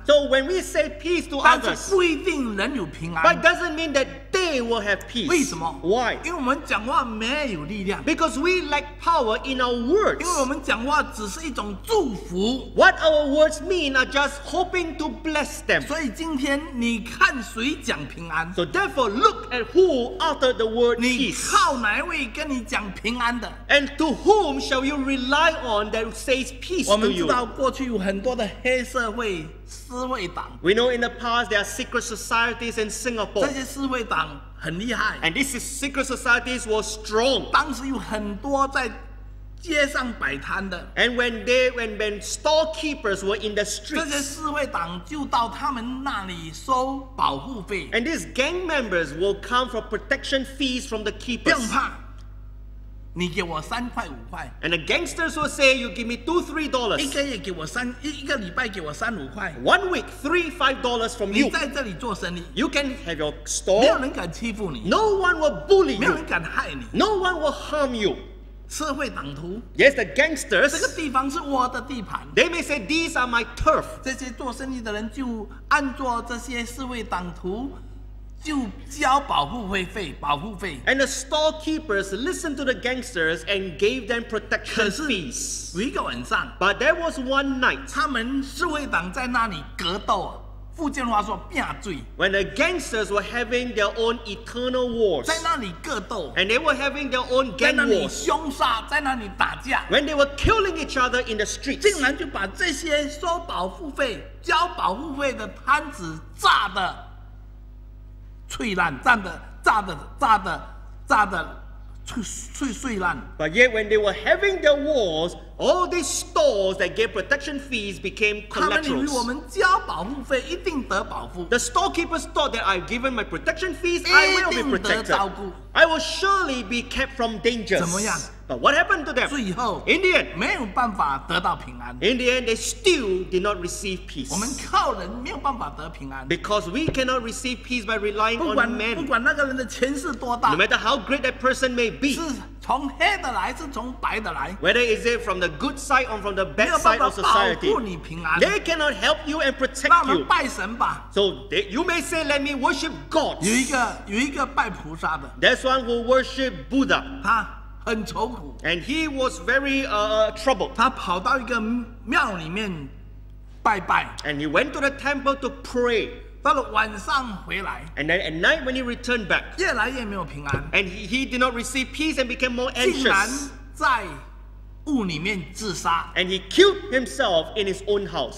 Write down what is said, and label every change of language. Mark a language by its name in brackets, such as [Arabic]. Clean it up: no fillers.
[English] So when we say peace to others, [Chinese] 但是不一定人有平安。 [English] But doesn't mean that they will have peace. [Chinese] 为什么？ [English] Why? [Chinese] 因为我们讲话没有力量。 [English] Because we lack power in our words. [Chinese] 因为我们讲话只是一种祝福。 [English] What our words mean are just hoping to bless them. [Chinese] 所以今天你看谁讲平安。 [English] So therefore, look at who uttered the word. [Chinese] 你靠哪位跟你讲平安的？ [English] And to whom shall you rely on that says peace to you? [Chinese] 我们知道过去有很多的黑社会、私会党。 [English] We know in the past there are secret societies in Singapore. [Chinese] 这些私会党很厉害。 [English] And these secret societies were strong. [Chinese] 当时有很多在街上摆摊的。 [English] And when storekeepers were in the streets, [Chinese] 这些示威党就到他们那里收保护费。 [English] And these gang members will come for protection fees from the keepers. [Chinese] 不用怕。你给我三块五块 [English] ，and the gangsters will say you give me $2-3. [Chinese] 一个月给我三一个礼拜给我三五块 [English] ，one week $3-5 from you。 [Chinese] 你在这里做生意 [English] ，you can have your store。 [Chinese] 没有人敢欺负你 [English] ，no one will bully you。 [Chinese] 没有人敢害你 [English] ，no one will harm you。 [Chinese] 社会党徒 [English] ，yes the gangsters。 [Chinese] 这个地方是我的地盘 [English] ，they may say these are my turf。 [Chinese] 这些做生意的人就按照这些社会党徒。就交保护费，保护费。 [English] And the storekeepers listened to the gangsters and gave them protection fees. [Chinese] 可是有一个晚上 [English] ，But there was one night. [Chinese] 他们示威党在那里格斗，福建话说拼嘴。 [English] When the gangsters were having their own eternal wars. [Chinese] 在那里格斗。 [English] And they were having their own gang wars. [Chinese] 在那里凶杀，在那里打架。 [English] When they were killing each other in the streets. [Chinese] 竟然就把这些收保护费、交保护费的摊子炸的。脆烂，炸的，炸的，炸的，炸的，脆烂。 [English] But yet when they were having their wars, all these stores that gave protection fees became collaterals. [Chinese] 他们以为我们交保护费一定得保护。 [English] The storekeepers thought that I've given my protection fees, I will be protected. I will surely be kept from dangers. [Chinese] 怎么样？ [English] But what happened to them? [Chinese] 最后 [English] ，In the end, [Chinese] 没有办法得到平安。 [English] In the end, they still did not receive peace. [Chinese] 我们靠人没有办法得平安。 [English] Because we cannot receive peace by relying on men. [Chinese] 不管那个人的权势多大 [English] ，No matter how great that person may be. [Chinese] 是从黑的来，是从白的来。 [English] Whether is it from the good side or from the bad side of society. [Chinese] 没有办法保护你平安。 [English] They cannot help you and protect you. [Chinese] 那我们拜神吧。 [English] So you may say, let me worship God. [Chinese] 有一个拜菩萨的。 [English] That's one who worship Buddha. [Chinese] 他。很愁苦 [English] and he was very troubled. [Chinese] 他跑到一个庙里面拜拜 [English] and he went to the temple to pray. [Chinese] 到了晚上回来 [English] and then at night when he returned back, [Chinese] 越来越没有平安 [English] and he did not receive peace and became more anxious. [Chinese] 竟然在屋里面自杀 [English] and he killed himself in his own house.